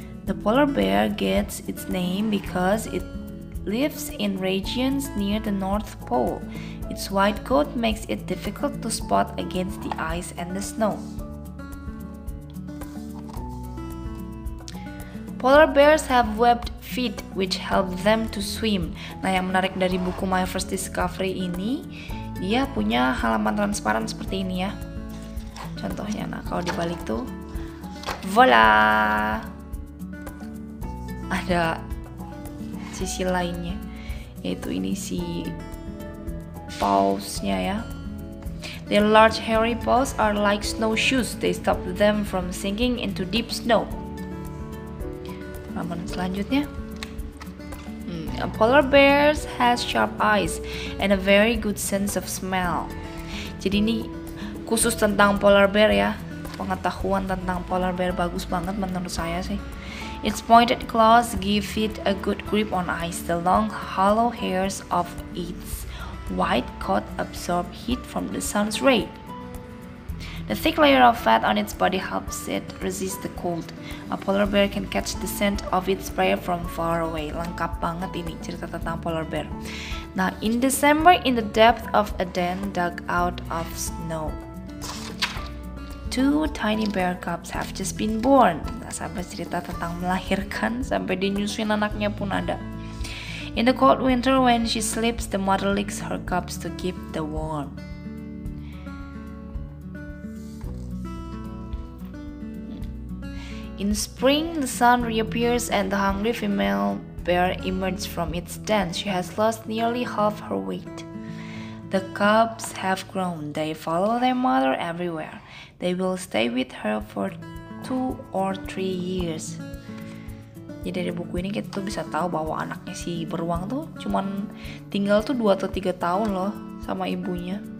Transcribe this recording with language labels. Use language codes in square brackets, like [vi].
[en] The polar bear gets its name because it lives in regions near the North Pole. Its white coat makes it difficult to spot against the ice and the snow. Polar bears have webbed feet which help them to swim. [id] Nah, yang menarik dari buku My First Discovery ini, dia punya halaman transparan seperti ini ya. Contohnya, nah kalau dibalik tuh, voila, ada sisi lainnya, yaitu ini si pausnya ya. [en] Their large hairy paws are like snowshoes. They stop them from sinking into deep snow. [id] Halaman selanjutnya. [en] A polar bear has sharp eyes and a very good sense of smell. [id] Jadi ini khusus tentang polar bear ya. Pengetahuan tentang polar bear bagus banget menurut saya sih. [en] Its pointed claws give it a good grip on ice. The long hollow hairs of its white coat absorb heat from the sun's rays. The thick layer of fat on its body helps it resist the cold. A polar bear can catch the scent of its prey from far away. [id] Lengkap banget ini cerita tentang polar bear. [en] Nah, in December, in the depth of a den dug out of snow, two tiny bear cubs have just been born. [id] Nah, sampai cerita tentang melahirkan, sampai dinyusuin anaknya pun ada. [en] In the cold winter, when she sleeps, the mother licks her cubs to keep them warm. In spring, the sun reappears and the hungry female bear emerges from its den. She has lost nearly half her weight. The cubs have grown. They follow their mother everywhere. They will stay with her for 2 or 3 years. [id] Jadi dari buku ini kita tuh bisa tahu bahwa anaknya si beruang tuh cuman tinggal tuh 2 atau 3 tahun loh sama ibunya.